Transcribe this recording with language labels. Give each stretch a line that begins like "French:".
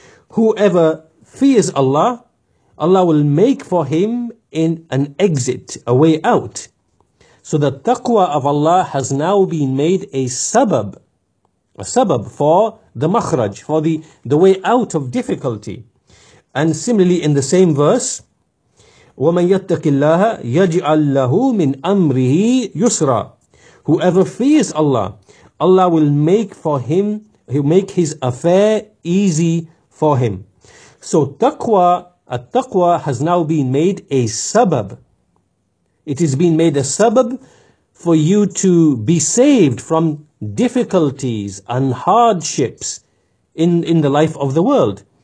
English: Whoever fears Allah, Allah will make for him in an exit, a way out. So the taqwa of Allah has now been made a sabab for the makhraj, for the way out of difficulty. And similarly in the same verse,
Arabic: وَمَنْ يَتَّقِ اللَّهَ يَجْعَلْ لَهُ مِنْ أَمْرِهِ يُسْرًا.
English: Whoever fears Allah, Allah will make for him, he'll make his affair easy for him. So at-taqwa has now been made a sabab. It has been made a sabab for you to be saved from difficulties and hardships in the life of the world.